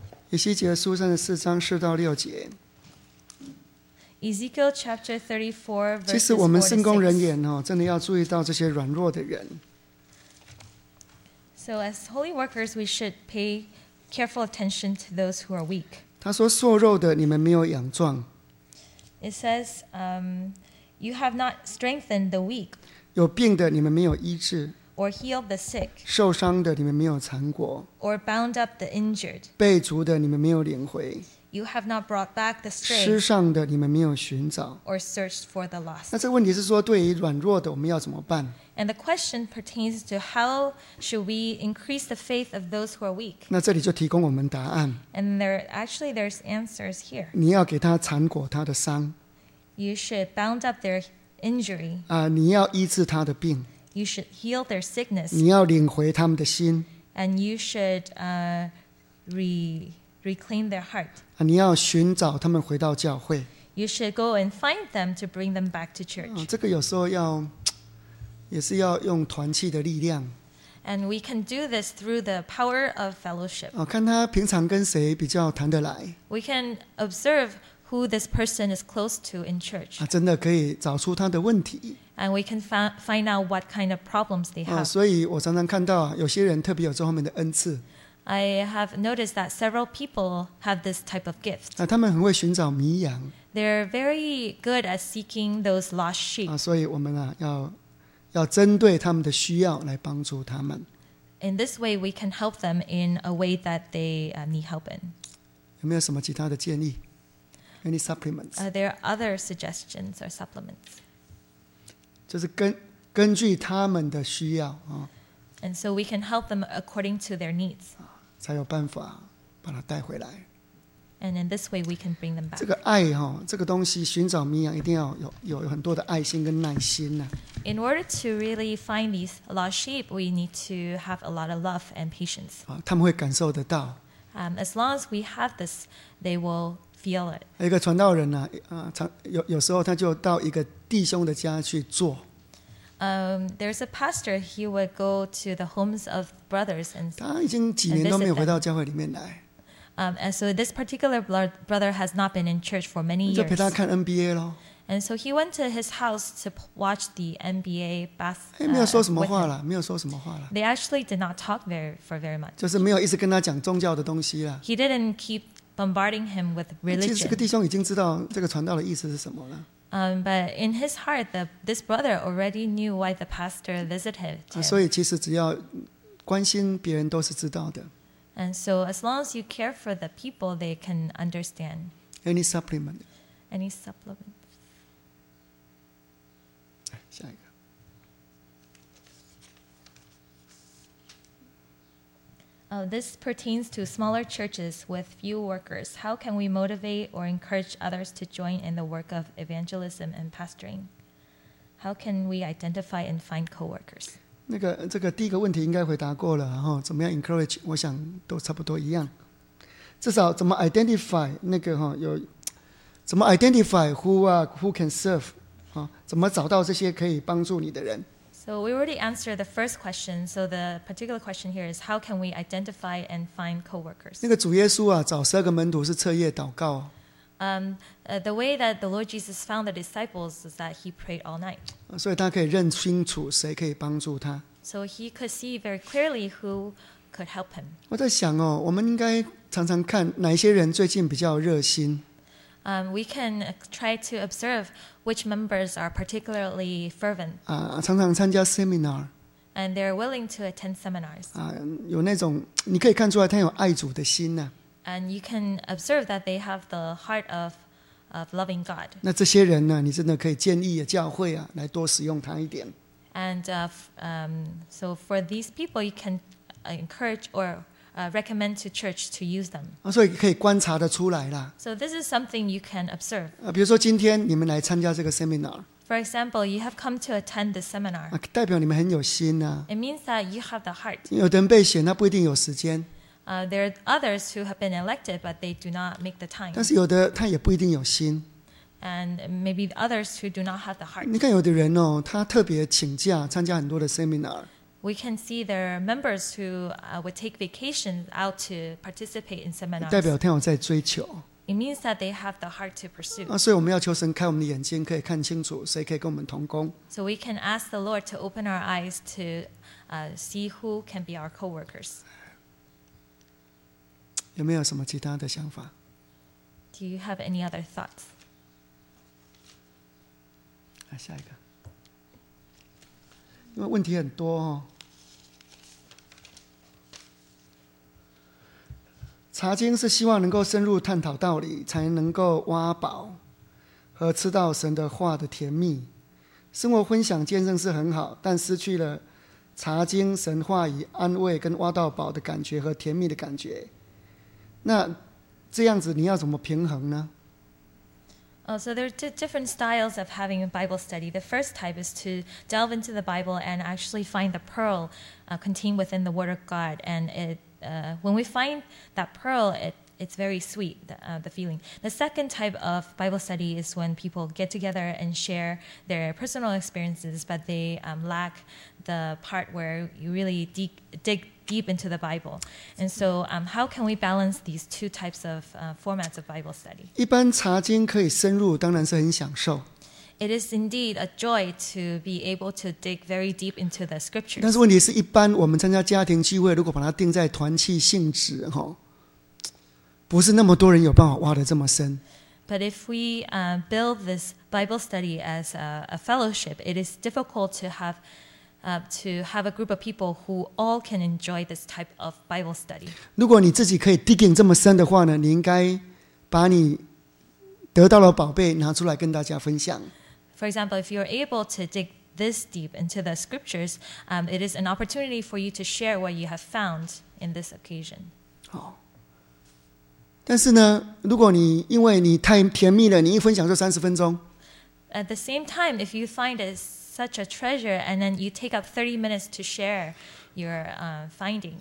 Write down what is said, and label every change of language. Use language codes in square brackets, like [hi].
[zh] 以西结书三十四章四到六节。 [en] Ezekiel chapter 34, verse [zh] 46. 其实我们圣工人员真的要注意到这些软弱的人。 [en] So as holy workers, we should pay careful attention to those who are weak. [zh] 他说：“瘦肉的，你们没有养壮。” [en] It says, you have not strengthened the weak. [zh] 有病的，你们没有医治。 [en] Or heal the sick. [zh] 受伤的你们没有缠裹。 [en] Or bound up the injured. [zh] 被逐的你们没有领回。 [en] You have not brought back the stray. [zh] 失上的你们没有寻找。 [en] Or searched for the lost. [zh] 那这问题是说，对于软弱的，我们要怎么办？ [en] And the question pertains to how should we increase the faith of those who are weak? [zh] 那这里就提供我们答案。 [en] And there's answers here. [zh] 你要给他缠裹他的伤。 [en] You should bound up their injury. [zh] 啊，你要医治他的病。 [en] You should heal their sickness. [zh] 你要领回他们的心。 [en] And you should reclaim their heart. [zh] 你要寻找他们回到教会。 [en] You should go and find them to bring them back to church. [zh] 这个有时候要，也是要用团契的力量。 [en] And we can do this through the power of fellowship. [zh] 看他平常跟谁比较谈得来。 [en] We can observe who this person is close to in church. [zh] 真的可以找出他的问题。 [en] And we can find out what kind of problems they have. [zh] 所以我常常看到有些人特别有这方面的恩赐。 [en] I have noticed that several people have this type of gift. [zh] 他们很会寻找迷羊。 [en] They're very good at seeking those lost sheep. [zh] 所以我们要针对他们的需要来帮助他们。 [en] In this way, we can help them in a way that they need help in. [zh] 有没有什么其他的建议？ [en] Any supplements? Are there other suggestions or supplements? [zh] 就是根据他们的需要啊。 [en] And so we can help them according to their needs. [zh] 才有办法把他带回来。 [en] And in this way we can bring them back. [zh] 这个爱哈，这个东西寻找迷羊一定要有很多的爱心跟耐心呢。 [en] In order to really find these lost sheep, we need to have a lot of love and patience. [zh] 他们会感受得到。 [en] As long as we have this, they will. [zh] 一个传道人呢，有时候他就到一个弟兄的家去坐。 [en] There's a pastor. He would go to the homes of brothers and. [zh] 他已经几年都没有回到教会里面来。 [en] And so this particular brother has not been in church for many years. [zh] 就陪他看 NBA 咯。 [en] And so he went to his house to watch the NBA basketball. [zh] 没有说什么话了，没有说什么话了。 [en] They actually did not talk for very much. [zh] 就是没有一直跟他讲宗教的东西了。 [en] He didn't keep. Bombarding him with religion. [zh] 其实这个弟兄已经知道这个传道的意思是什么了。 [en] But in his heart, this brother already knew why the pastor visited him. [zh] 所以其实只要关心别人都是知道的。 [en] And so as long as you care for the people, they can understand. Any supplement? Any supplement? [zh] 下一个。 [en] This pertains to smaller churches with few workers. How can we motivate or encourage others to join in the work of evangelism and pastoring? How can we identify and find co-workers? [zh] 这个第一个问题应该回答过了，然后怎么样 encourage， 我想都差不多一样。至少怎么 identify 怎么 [en] identify who can serve， [zh] 怎么找到这些可以帮助你的人。 [en] So we already answered the first question. So the particular question here is, how can we identify and find co-workers? [zh] 那个主耶稣啊，找十二个门徒是彻夜祷告。 [en] The way that the Lord Jesus found the disciples is that he prayed all night. [zh] 所以他可以认清楚谁可以帮助他。 [en] So he could see very clearly who could help him. [zh] 我在想哦，我们应该常常看哪些人最近比较热心。 [en] We can try to observe which members are particularly fervent. [zh] 啊，常常参加 seminar. [en] And they're willing to attend seminars. [zh] 啊，有那种你可以看出来他有爱主的心呢。 [en] And you can observe that they have the heart of loving God. [zh] 那这些人呢，你真的可以建议教会啊，来多使用他一点。 [en] And so for these people, you can encourage or recommend to church to use them. [zh] 所以可以观察得出来啦。 [en] So this is something you can observe. [zh] 比如说今天你们来参加这个 seminar. [en] For example, you have come to attend this seminar. [zh] 代表你们很有心啊。 [en] It means that you have the heart. [zh] 有的人被选，他不一定有时间。 [en] There are others who have been elected, but they do not make the time. [zh] 但是有的他也不一定有心。 [en] And maybe others who do not have the heart. [zh] 你看有的人哦，他特别请假参加很多的 seminar。 [en] We can see there are members who would take vacations out to participate in seminars. [zh] 代表他有在追求。 [en] It means that they have the heart to pursue. [zh] 所以我们要求神开我们的眼睛，可以看清楚谁可以跟我们同工。 [en] So we can ask the Lord to open our eyes to see who can be our co-workers. [zh] 有没有什么其他的想法？ [en] Do you have any other thoughts? [zh] 下一个，因为问题很多哦。查经是希望能够深入探讨道理，才能够挖宝和吃到神的话的甜蜜。生活分享见证是很好，但失去了查经神话以安慰跟挖到宝的感觉和甜蜜的感觉。那这样子你要怎么平衡呢？ [en] So there are different styles of having a Bible study. The first type is to delve into the Bible and actually find the pearl contained within the Word of God. And when we find that pearl, it's very sweet, the feeling. The second type of Bible study is when people get together and share their personal experiences, but they lack the part where you really dig deep into the Bible. And so how can we balance these two types of formats of Bible study? [zh] 一般查经可以深入，当然是很享受。 [en] It is indeed a joy to be able to dig very deep into the scriptures. [zh] 但是问题是一般我们参加家庭聚会，如果把它定在团契性质，不是那么多人有办法挖得这么深。 [en] But if we build this Bible study as a fellowship, it is difficult to haveto have a group of people who all can enjoy this type of Bible study. [zh] 如果你自己可以 digging 这么深的话呢，你应该把你得到的宝贝拿出来跟大家分享。 [en] For example, if you're able to dig this deep into the scriptures, it is an opportunity for you to share what you have found in this occasion. [zh] 但是呢，如果你因为你太甜蜜了，你一分享就30分钟。 [en] At the same time, if you find it such a treasure, and then you take up 30 minutes to share your finding.